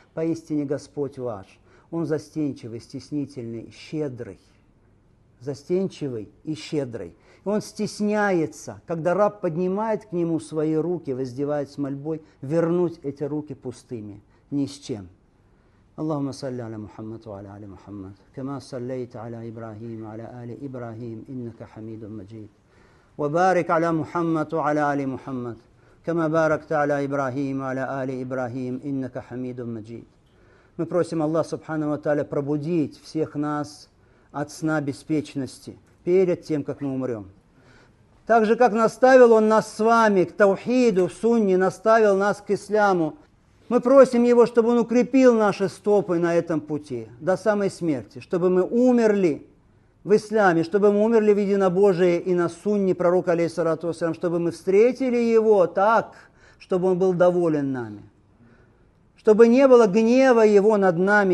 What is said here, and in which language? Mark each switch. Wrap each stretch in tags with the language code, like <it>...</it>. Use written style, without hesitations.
<ru>Поистине Господь ваш, Он застенчивый, стеснительный, щедрый. Застенчивый и щедрый. И он стесняется, когда раб поднимает к нему свои руки, воздевает с мольбой, вернуть эти руки пустыми, ни с чем.</ru> <ar>اللهم صل على محمد وعلى آل محمد كما صليت على إبراهيم وعلى آل إبراهيم إنك حميد مجيد وبارك على محمد وعلى آل محمد كما باركت على إبراهيم وعلى آل إبراهيم إنك حميد مجيد.</ar> <ru>Мы просим Аллах Субхана ва Тааля пробудить всех нас от сна беспечности перед тем, как мы умрем. Так же, как наставил Он нас с вами к таухиду, в сунне, наставил нас к исламу, мы просим Его, чтобы Он укрепил наши стопы на этом пути до самой смерти, чтобы мы умерли в исламе, чтобы мы умерли в единобожии и на сунне пророка, алейхиссалату вассалям, чтобы мы встретили Его так, чтобы Он был доволен нами, чтобы не было гнева Его над нами.</ru>